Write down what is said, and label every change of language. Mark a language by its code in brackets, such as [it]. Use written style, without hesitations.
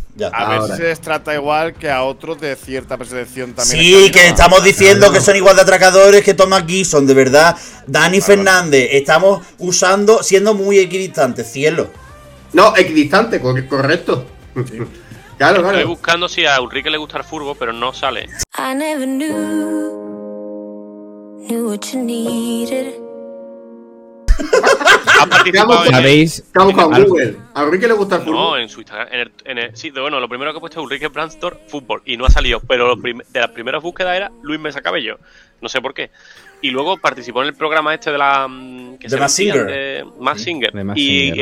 [es] Ya, a ver si se les trata igual que a otros de cierta percepción también. Sí, que estamos diciendo que son igual de atracadores que Thomas Gibson, de verdad. Dani Fernández, estamos usando, siendo muy equidistantes, cielo. No, equidistante, correcto. Sí. Claro. Estoy buscando si a Ulrike le gusta el furbo, pero no sale. [en] I never knew what you needed. [es] ¿Sabéis? Estamos con Google. ¿A Ulrike le gusta el fútbol? No, en su Instagram. Lo primero que he puesto es Ulrike Brandstor fútbol y no ha salido. Pero de las primeras búsquedas era Luis Mesa Cabello. No sé por qué. Y luego participó en el programa este de la. De Massinger. Massinger.